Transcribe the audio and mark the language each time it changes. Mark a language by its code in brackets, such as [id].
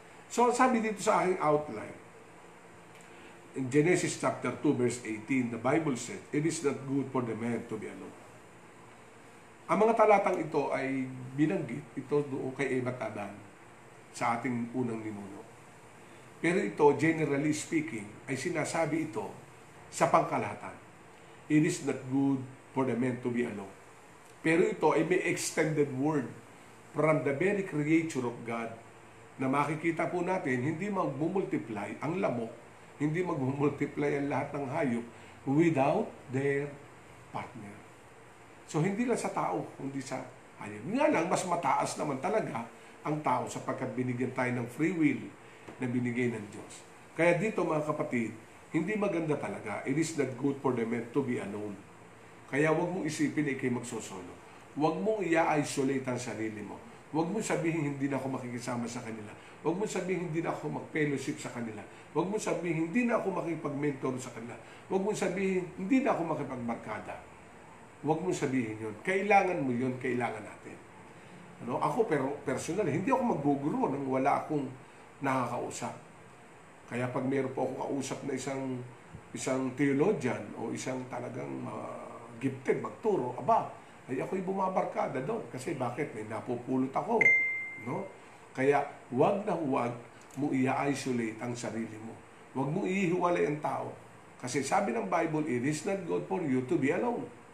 [en] So, [tl] sabi dito sa aking [en] outline, in Genesis chapter 2 verse 18, the Bible said, it is not good for the man to be alone. [tl] Ang mga talatang ito ay binanggit ito doon kay Eva at Adan sa ating unang ninuno. Pero ito, generally speaking, ay sinasabi ito sa pangkalahatan. [en] It is not good for the man to be alone. [tl] Pero ito ay may [en] extended word from the very creature of God [tl] na makikita po natin, hindi magmumultiply ang lamok, hindi mag-multiply ang lahat ng hayop [en] without their partner. [tl] So, hindi lang sa tao, hindi sa hayop. Nga lang, mas mataas naman talaga ang tao sapagkat binigyan tayo ng free will na binigay ng Diyos. Kaya dito, mga kapatid, hindi maganda talaga. [en] It is not good for the man to be alone. [tl] Kaya huwag mong isipin na ikay magsosolo. Huwag mong i-isolate ang sarili mo. Huwag mong sabihin hindi na ako makikisama sa kanila. Huwag mo sabihin hindi na ako mag-fellowship sa kanila. Huwag mo sabihin hindi na ako makipag-mentor sa kanila. Huwag mo sabihin hindi na ako makipag-markada. Huwag mo sabihin yon. Kailangan mo yon. Kailangan natin. Ano? Ako pero personal, hindi ako mag-grow nang wala akong nakakausap. Kaya pag meron po akong kausap na isang theologian o isang talagang gifted magturo, aba, ay ako'y bumabarkada doon. Kasi bakit? May napupulot ako. No? Kaya huwag na huwag mo i-isolate ang sarili mo. Huwag mo ihiwalay ang tao. Kasi sabi ng [en] Bible, it is not good for you to be alone.